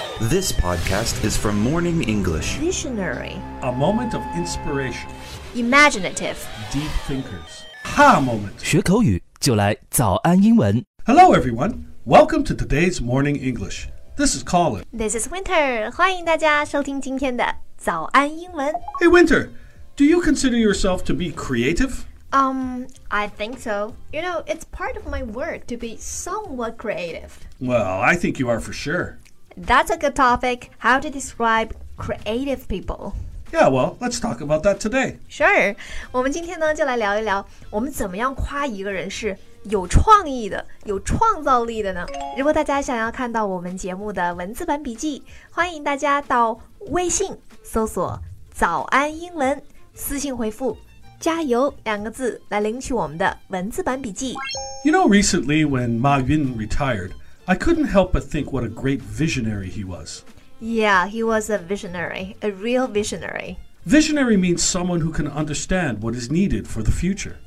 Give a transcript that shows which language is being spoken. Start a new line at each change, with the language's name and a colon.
English: This podcast is from Morning English. Visionary. A moment of inspiration. Imaginative. Deep thinkers. Ha moment.
Chinese: 学口语就来早安英文。
English: Hello everyone. Welcome to today's Morning English. This is Colin. This is Winter.
Chinese: 欢迎大家收听今天的早安英文。
English: Hey Winter, do you consider yourself to be creative? I think so. You know, it's part of my work to be somewhat creative. Well, I think you are for sure. That's a good topic, how to describe creative people. Yeah, well, let's talk about that today. Sure.
Chinese: 我们今天呢就来聊一聊我们怎么样夸一个人是有创意的有创造力的呢如果大家想要看到我们节目的文字版笔记欢迎大家到微信搜索早安英文私信回复加油两个字来领取我们的文字版笔记
English: You know, recently when Ma Yun retired, I couldn't help but think what a great visionary he was. Yeah, he was a visionary, a real visionary. Visionary means someone who can understand what is needed for the future.